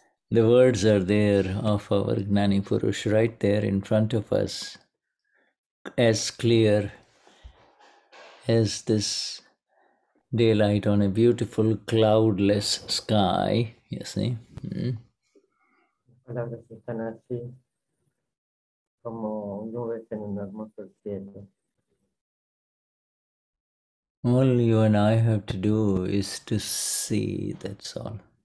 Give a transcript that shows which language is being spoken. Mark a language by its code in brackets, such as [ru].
[en] The words are there of our Gnani Purush right there in front of us, as clear as this daylight on a beautiful cloudless sky, you see. [es] Palabras están así, como nubes en un hermoso cielo. [en] All you and I have to do is to see, that's all.